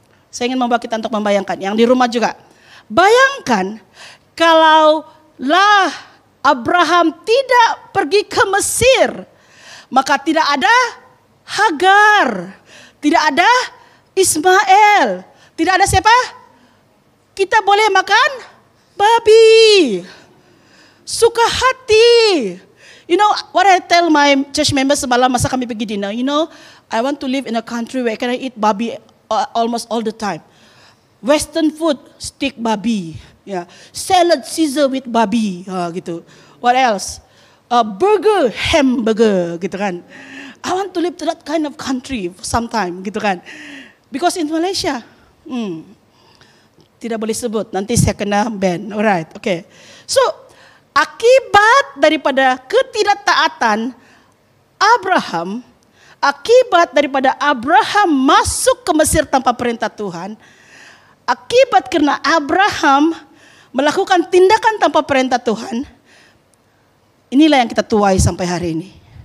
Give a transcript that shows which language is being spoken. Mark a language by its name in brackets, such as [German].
[Malay] Saya ingin membawa kita untuk membayangkan. Yang di rumah juga. Bayangkan kalaulah Abraham tidak pergi ke Mesir, maka tidak ada Hagar, tidak ada Ismail, tidak ada siapa? Kita boleh makan babi, suka hati. [English] You know what I tell my church members [Malay] semalam masa kami pergi [English] dinner, you know, I want to live in a country where I can eat babi almost all the time. Western food, steak babi, yeah. Salad Caesar with babi, gitu. What else? Burger, hamburger, gitu kan. I want to live to that kind of country sometime, gitu kan. Because in Malaysia, [Malay] tidak boleh sebut, nanti saya kena ban. [English] Alright, okay. So, [Malay] akibat daripada ketidaktaatan Abraham, akibat daripada Abraham masuk ke Mesir tanpa perintah Tuhan, akibat karena Abraham melakukan tindakan tanpa perintah Tuhan, inilah yang kita tuai sampai hari ini.